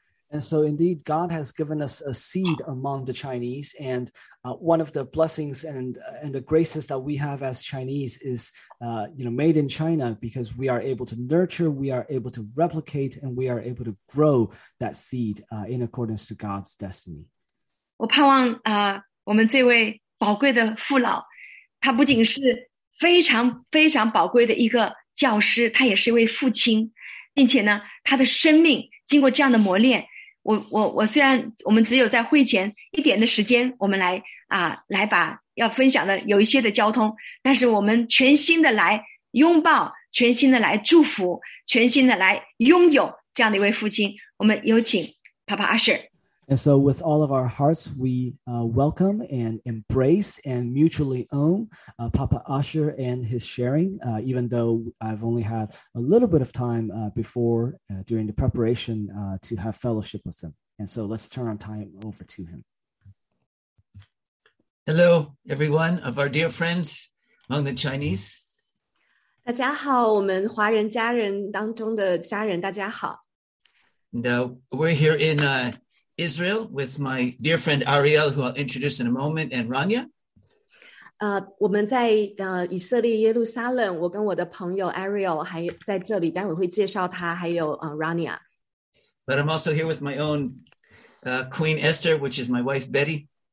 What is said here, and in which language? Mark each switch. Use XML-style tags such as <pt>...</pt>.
<en>And so indeed, God has given us a seed among the Chinese. And one of the blessings and the graces that we have as Chinese is, you know, made in China, because we are able to nurture, we are able to replicate, and we are able to grow that seed in accordance to God's destiny.</en> <zh>我盼望, 我们这位宝贵的父老, 他不仅是非常宝贵的一个教师, 他也是一位父亲, 并且呢, 他的生命经过这样的磨练, 我虽然我们只有在会前一点的时间, 我们来, 来把要分享的有一些的交通, 但是我们全心的来, 拥抱, 全心的来祝福, 全心的来拥有这样的一位父亲, 我们有请 Papa Usher。</zh> <en>And so with all of our hearts, we welcome and embrace and mutually own Papa Usher and his sharing, even though I've only had a little bit of time before during the preparation to have fellowship with him. And so let's turn our time over to him. Hello, everyone of our dear friends among the Chinese.</en> <zh>大家好,我们华人家人当中的家人,大家好。</zh> <en>We're here in... Israel, with my dear friend Ariel, who I'll introduce in a moment, and Rania.</en> <zh>我们在 以色列耶路撒冷，我跟我的朋友 Ariel 还在这里，待会会介绍他，还有 Rania.</zh> <en>But I'm also here with my own Queen Esther, which is my wife Betty.</en>